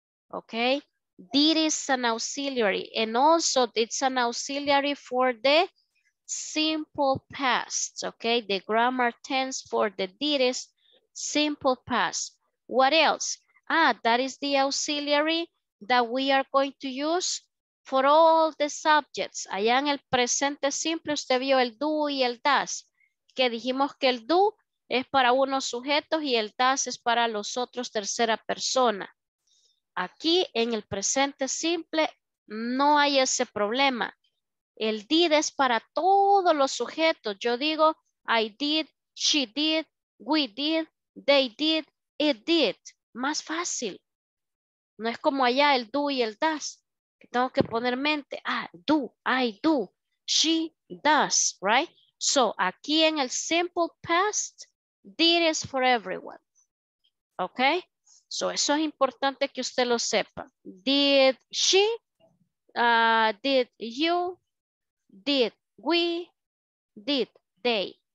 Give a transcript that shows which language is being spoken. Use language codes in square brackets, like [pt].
[en] Ok, did is an auxiliary and also it's an auxiliary for the simple past. Ok, the grammar tense for the did is simple past. What else? Ah, that is the auxiliary that we are going to use for all the subjects. [es] Allá en el presente simple usted vio el do y el does, que dijimos que el do es para unos sujetos y el does es para los otros tercera persona. Aquí en el presente simple no hay ese problema. El did es para todos los sujetos. Yo digo [en] I did, she did, we did, they did, it did. [es] Más fácil. No es como allá el do y el does. Tengo que poner mente. [en] Ah, do, I do, she does, right? So, [es] aquí en el [en] simple past, did is for everyone. ¿Ok? [es] So, eso es importante que usted lo sepa. [en] Did she, did you, did we, did they.